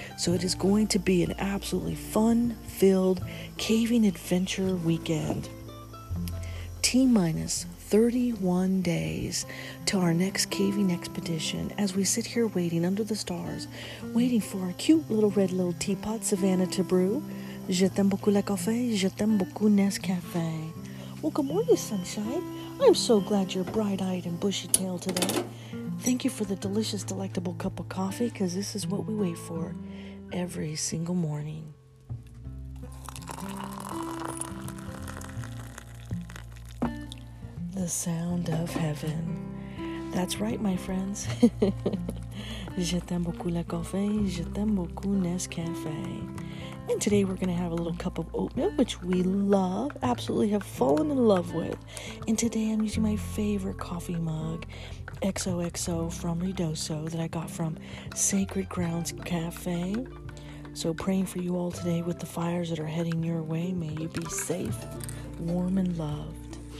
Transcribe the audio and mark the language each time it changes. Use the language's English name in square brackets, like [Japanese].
[English] So it is going to be an absolutely fun-filled caving adventure weekend. T-minus 31 days to our next caving expedition, as we sit here waiting under the stars, waiting for our cute little red little teapot, Savannah, to brew. [French] Je t'aime beaucoup le café, je t'aime beaucoup Nescafé. [English] Well, good morning, sunshine. I'm so glad you're bright-eyed and bushy-tailed today. Thank you for the delicious, delectable cup of coffee, because this is what we wait for every single morning. the sound of heaven. That's right, my friends. [French] Je t'aime beaucoup le café, je t'aime beaucoup Nescafé. [English] And today we're going to have a little cup of oatmeal, which we love, absolutely have fallen in love with. And today I'm using my favorite coffee mug, XOXO from Redoso, that I got from Sacred Grounds Cafe. So praying for you all today with the fires that are heading your way. May you be safe, warm, and loved.